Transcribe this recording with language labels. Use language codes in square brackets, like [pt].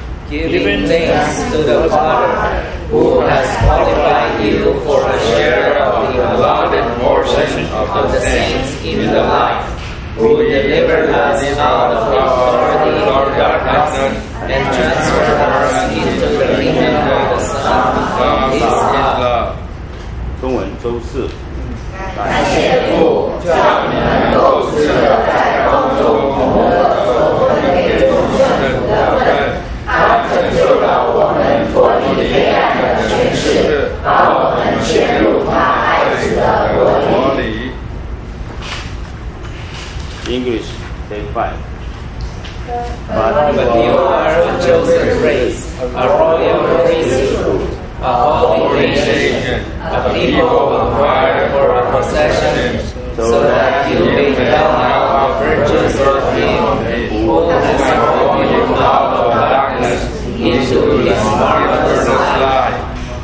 [en] Giving thanks to the Father who has qualified you for a share of the allotted portion of the saints in the life, who delivered us out of the authority of darkness and transferred us into the kingdom of the Son of His love. [zh] 中文周四感谢父，让你能够时刻在光中蒙得所分给众圣徒的份，他拯救了我们脱离黑暗的权势，把我们牵入他爱子的国里。 [en] English, day five. But you are a chosen race, a royal priesthood. A holy nation, a people acquired for a possession, so that you may tell how the virtues of Him who has called you out of darkness into His marvelous light.